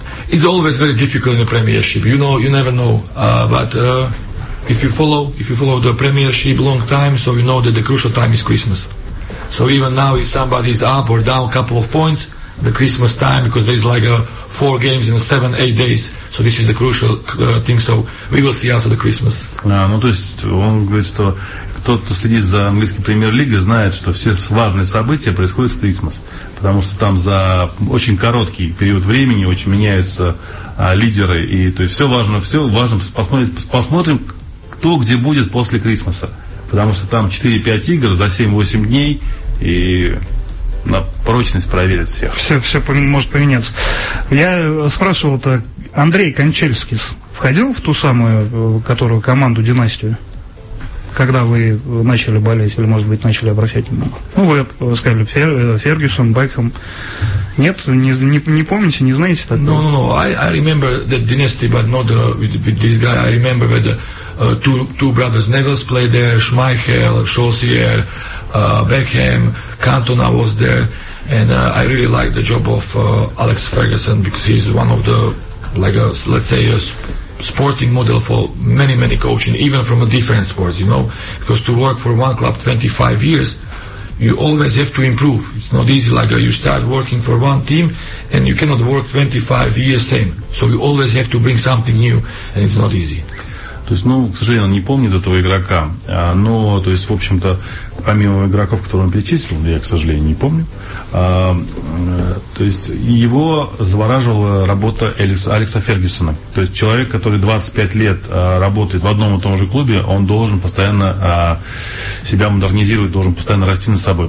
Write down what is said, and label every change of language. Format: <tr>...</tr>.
<en>It's always very difficult in the Premiership. You know, you never know. But if you follow the Premiership long time, so you know that the crucial time is Christmas. So even now, if somebody is up or down a couple of points, the Christmas time, because there is like a 4 games in 7-8 days, so this is the crucial thing. So we will see after the Christmas.</en> <ru>Ну то есть он говорит, что тот, кто следит за английской премьер-лигой, знает, что все важные события происходят в Крисмас. Потому что там за очень короткий период времени очень меняются лидеры. И то есть все важно посмотрим, кто где будет после Крисмаса. Потому что там 4-5 игр за 7-8 дней, и на прочность проверят всех. Все может поменяться. Я спрашивал-то, Андрей Кончельскис входил в ту самую, которую команду, династию? Когда вы начали болеть, или, может быть, начали обращать внимание? Ну, вы сказали, Фергюсон, Бекхэм. Нет, не помните, не знаете тогда?</ru> <en>No. I remember that dynasty, but not with this guy. I remember that two brothers, Neville, played there, Schmeichel, Chaussier, Beckham, Cantona was there. And I really liked the job of Alex Ferguson, because he's one of the, like, let's say, sporting model for many, many coaching, even from a different sports, you know, because to work for one club 25 years, you always have to improve. It's not easy, like you start working for one team and you cannot work 25 years same. So you always have to bring something new, and it's not easy.</en> <ru>То есть, ну, к сожалению, он не помнит этого игрока. Но, то есть, в общем-то, помимо игроков, которые он перечислил, я, к сожалению, не помню. То есть, его завораживала работа Алекса Фергюсона. То есть, человек, который 25 лет работает в одном и том же клубе, он должен постоянно себя модернизировать, должен постоянно расти над собой.</ru>